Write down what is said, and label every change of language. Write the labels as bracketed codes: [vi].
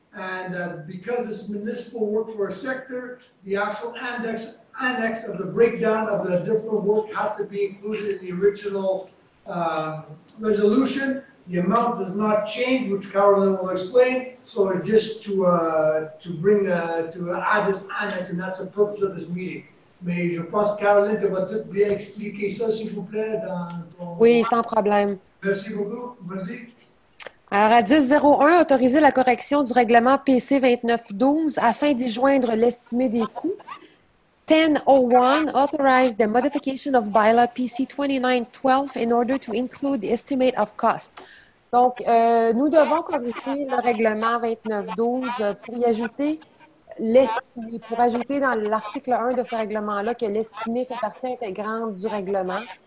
[en] And because it's municipal workforce sector, the actual annex of the breakdown of the different work had to be included in the original resolution. The amount does not change, which Carolyn will explain. So just to add this annex, and that's the purpose of this meeting. [fr] Mais je pense que Caroline va tout bien expliquer ça, s'il vous plaît. Oui, sans problème. Merci beaucoup. Vas-y. Alors, à 10.01, autoriser la correction du règlement PC 2912 afin d'y joindre l'estimé des coûts. [en] 10.01, authorize the modification of bylaw PC 2912 in order to include the estimate of cost. [fr] Donc, nous devons corriger le règlement 2912 pour y ajouter l'estimé, pour ajouter dans l'article 1 de ce règlement-là que l'estimé fait partie intégrante du règlement.